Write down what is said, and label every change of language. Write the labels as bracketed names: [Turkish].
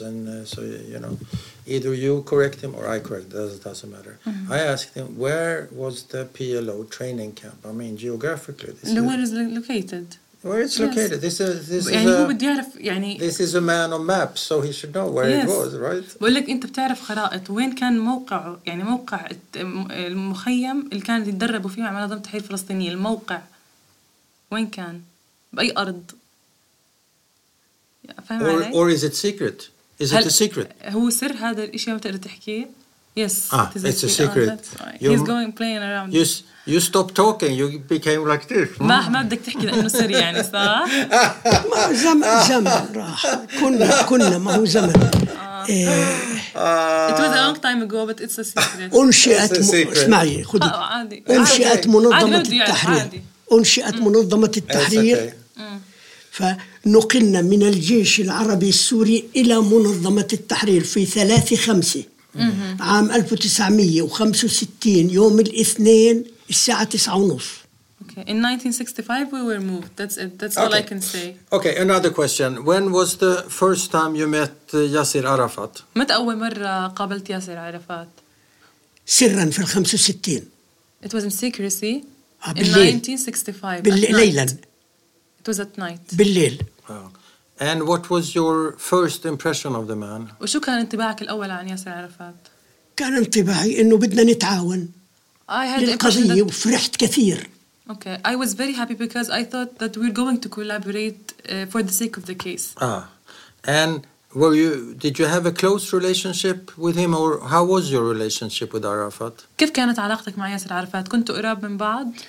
[English] And so, you know, either you correct him or I correct him. It doesn't matter. Mm-hmm. I asked him, where was the PLO training camp? I mean, geographically. This and where is it located? Where it's located. Yes. This is a man on maps, so he should know where it was, right? [Arabic] بقول لك أنت بتعرف خرائط وين كان موقعه يعني موقع المخيم اللي كان يتدربوا فيه مع منظمة التحرير الفلسطينية الموقع وين كان بأي أرض فهم علي؟ [English] Or is it secret? Is it a secret? [Arabic] هو سر هذا الإشي ما تقدر تحكيه. [English] Yes. It's a secret. He's going playing around. Yes. You stopped talking. You became like this. [Arabic] ما بدك تحكي لأنه سر يعني صح؟ ما زمن راح. كنا ما هو زمن. [English] It was a long time ago, but it's a secret. [Arabic] أنشئت اسمعي خدي. أنشئت منظمة التحرير. أنشئت منظمة التحرير. فنقلنا من الجيش العربي السوري إلى منظمة التحرير في 3/5 عام 1965 يوم الاثنين. الساعة 9:30. [English] Okay. In 1965 we were moved. That's it. That's okay. All I can say. Okay, another question. When was the first time you met Yasser Arafat? [Arabic] متى أول مرة قابلت ياسر عرفات؟ سرا في 65. [English] It was in secrecy. In [Arabic] 1965. بالليل. [English] It was at night. [Arabic] بالليل. [English] Oh. And what was your first impression of the man? [Arabic] وشو كان انطباعك الأول عن ياسر عرفات؟ كان انطباعي إنه بدنا نتعاون. [English] I had للقضية [Arabic] وفرحت كثير. [English] Okay, I was very happy because I thought that we're going to collaborate for the sake of the case. And did you have a close relationship with him or how was your relationship with Arafat? [Arabic] كيف كانت علاقتك مع ياسر عرفات؟ كنتوا قراب من بعض؟